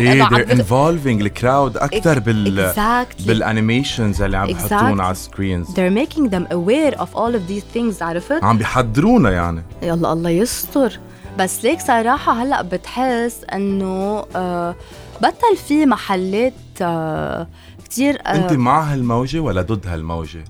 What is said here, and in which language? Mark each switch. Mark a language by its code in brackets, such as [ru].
[ar] إيه [en] they're involving the crowd [ar] أكتر بالأنيميشنز اللي عم بحطون على السكرينز. [en] They're making them aware of all of these things، [ar] عرفت؟ عم بيحضرونا يعني. يلا الله يستر. بس ليك صراحة هلأ بتحس أنه بطل في محلات كتير. أنت مع هالموجة ولا ضد هالموجة؟